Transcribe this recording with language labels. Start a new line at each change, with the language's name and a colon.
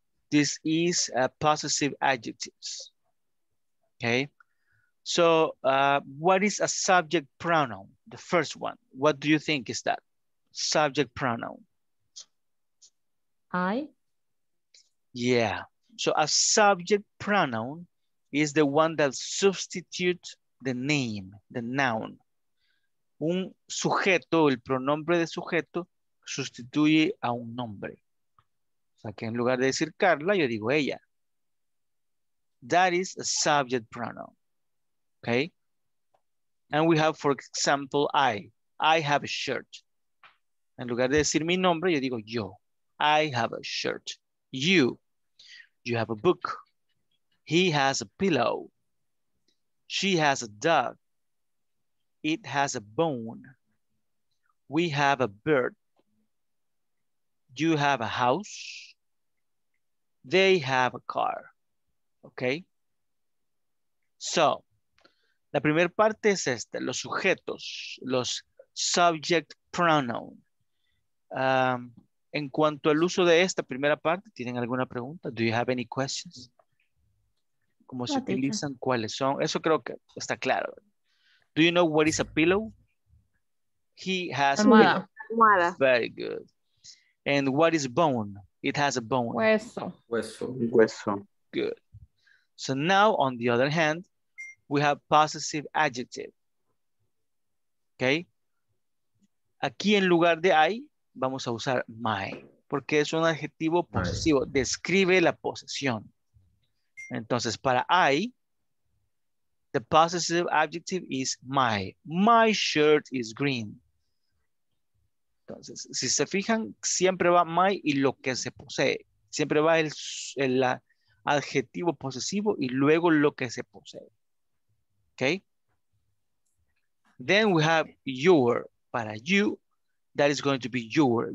English: This is possessive adjectives. Okay, so what is a subject pronoun? The first one, what do you think is that? Subject pronoun. I? Yeah, so a subject pronoun is the one that substitutes the name, the noun.
Spanish: Un sujeto, el pronombre de sujeto, sustituye a un nombre. O sea, que en lugar de decir Carla, yo digo ella.
English: That is a subject pronoun, okay? And we have, for example, I have a shirt.
Spanish: En lugar de decir mi nombre, yo digo yo.
English: I have a shirt. You have a book. He has a pillow. She has a dog. It has a bone. We have a bird. You have a house. They have a car, okay?
Spanish: So, la primera parte es esta, los sujetos, los subject pronoun. En cuanto al uso de esta primera parte, ¿tienen alguna pregunta?
English: Do you have any questions?
Spanish: ¿Cómo se utilizan? ¿Cuáles son? Eso creo que está claro.
English: Do you know what is a pillow? He has a pillow. Very good. And what is bone? It has a bone.
Spanish: Hueso. Hueso. Hueso.
English: Good. So now, on the other hand, we have possessive adjective. Okay.
Spanish: Aquí en lugar de I, vamos a usar my, porque es un adjetivo posesivo, describe la posesión. Entonces, para
English: I, the possessive adjective is my. My shirt is green.
Spanish: Entonces, si se fijan, siempre va my y lo que se posee. Siempre va el adjetivo posesivo y luego lo que se posee.
English: Okay. Then we have your.
Spanish: Para
English: you, that is going to be your.